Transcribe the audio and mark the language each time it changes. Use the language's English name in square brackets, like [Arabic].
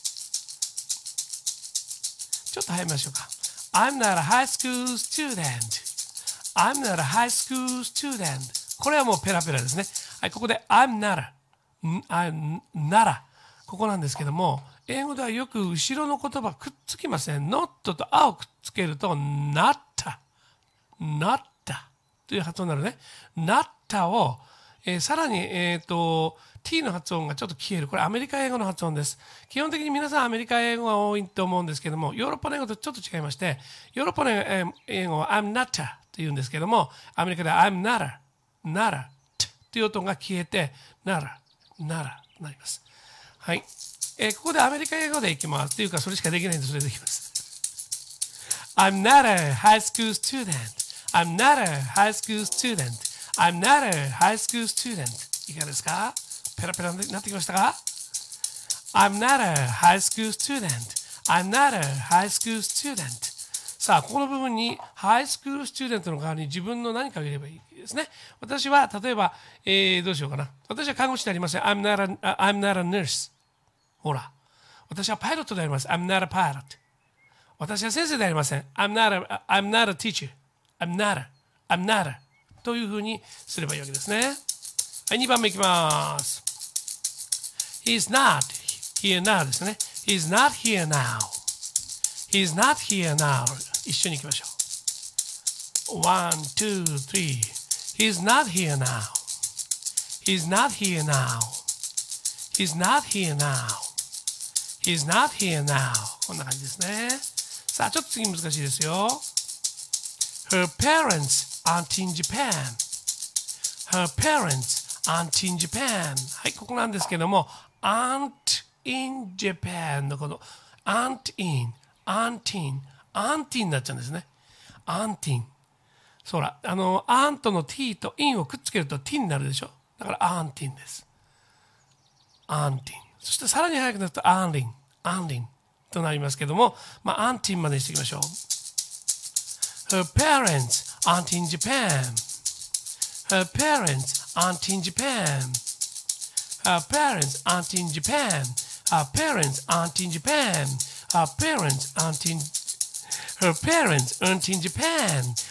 [Japanese] ちょっと早めましょうか。 [English] I'm not a high school student. I'm not a high school student. [Japanese] これはもうペラペラですね。 [English] はい、ここで I'm not a. I'm not a. [Japanese] ここなんですけども、英語ではよく後ろの言葉くっつきますね。 not と a をくっつけると not a. not a. という発音になるね。 not a を、さらに、t の発音がちょっと消える。これアメリカ英語の発音です。基本的に皆さんアメリカ英語が多いと思うんですけども、ヨーロッパの英語とちょっと違いまして、ヨーロッパの英語は [English] I'm not a [Japanese] と言うんですけども、アメリカでは I'm not a, not a, t という音が消えて、not a, not a となります。はい。ここでアメリカ英語でいきます。というかそれしかできないんで、それでいきます。 [English] I'm not a high school student. I'm not a high school student. I'm not a high school student. [Japanese] いかがですか？ペラペラになってきましたか？ [English] I'm not a high school student. I'm not a high school student. [Japanese] さあ、ここの部分に high school student の代わりに自分の何かを入れればいいですね。私は例えば、どうしようかな。私は看護師でありません。 [English] I'm not a nurse. ほら。 [Japanese] 私はパイロットであります。 [English] I'm not a pilot. [Japanese] 私は先生でありません。 [English] I'm not a teacher. I'm not a. I'm not a. [Japanese] というふうにすればいいわけですね。はい、2番目いきます。 [English] He's not here now ですね。 He's not here now. He's not here now. [Japanese] 一緒に行きましょう。 [English] One, two, three. He's not here now. He's not here now. He's not here now. He's not here now. [Japanese] こんな感じですね。さあ、ちょっと次難しいですよ。 [English] Her parents aren't in Japan. Her parents aren't in Japan. [Japanese] はい、ここなんですけども、aren't in Japan のこの aren't in, aren't in, aren't in になっちゃうんですね。 aren't in。そら、aren't の t と in をくっつけると t になるでしょ。だから aren't in です。 aren't in。そしてさらに早くなると aren't in, aren't in となりますけども、まあ aren't in までにしていきましょう。 [English] Her parents aren't in Japan. Her parents aren't in Japan. Our parents aren't in Japan. Our parents aren't in Japan. Our parents aren't in. Her parents aren't in Japan.